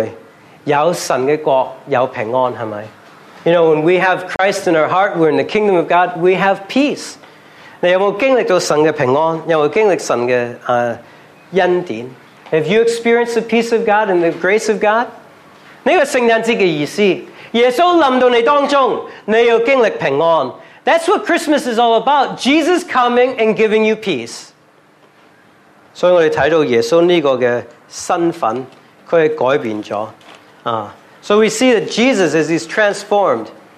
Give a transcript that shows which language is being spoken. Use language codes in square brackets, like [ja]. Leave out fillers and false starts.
[zh] 神的爱,弟兄姊妹,有神的国,有平安,是不是? [en] You know, when we have Christ in our heart, we're in the kingdom of God, we have peace. [zh] 你有没有经历到神的平安? 有没有经历神的, ,恩典? [en] Have you experienced the peace of God and the grace of God? [zh] 这个圣诞节的意思, 耶稣临到你当中,你要经历平安。 [en] That's what Christmas is all about, Jesus coming and giving you peace. [zh] 所以我们看到耶稣这个身份,他改变了。 [en] So we see that Jesus, as he's transformed,